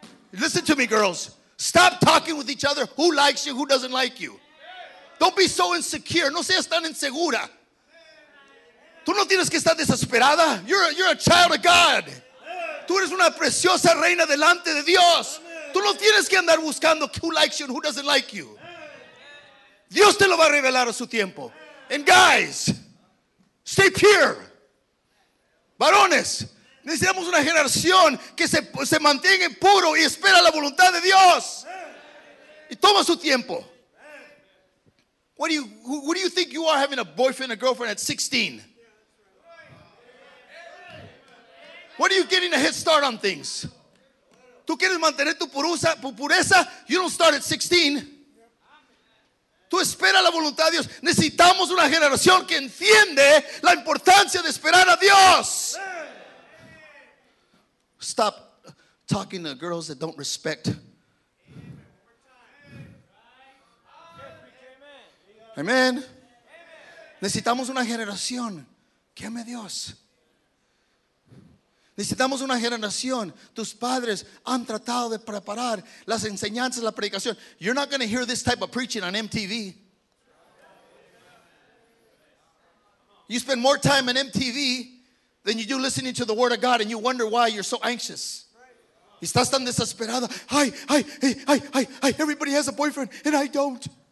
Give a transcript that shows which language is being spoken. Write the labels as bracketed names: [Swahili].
[English] Listen to me, girls. Stop talking with each other, who likes you, who doesn't like you. Don't be so insecure. [Spanish] No seas tan insegura. Tú no tienes que estar desesperada. [English] You're a child of God. [Spanish] Tú eres una preciosa reina delante de Dios. Tú no tienes que andar buscando [English] who likes you and who doesn't like you. [Spanish] Dios te lo va a revelar a su tiempo. [English] And guys, stay pure. [Spanish] Varones, necesitamos una generación que se mantenga puro y espera la voluntad de Dios. Y toma su tiempo. [English] What do you think you are having a boyfriend or girlfriend at 16? What are you getting a head start on things? [Spanish] Tú quieres mantener tu pureza, [English] you don't start at 16. [Spanish] Tú espera la voluntad de Dios. Necesitamos una generación que entiende la importancia de esperar a Dios. [English] Stop talking to girls that don't respect. Amen. [Spanish] Necesitamos una generación que ame a Dios. Necesitamos una generación. Tus padres han tratado de preparar las enseñanzas, la predicación. [English] You're not going to hear this type of preaching on MTV. You spend more time on MTV than you do listening to the word of God, and you wonder why you're so anxious. [Spanish] Estás tan desesperado. [English] Hi. Everybody has a boyfriend and I don't.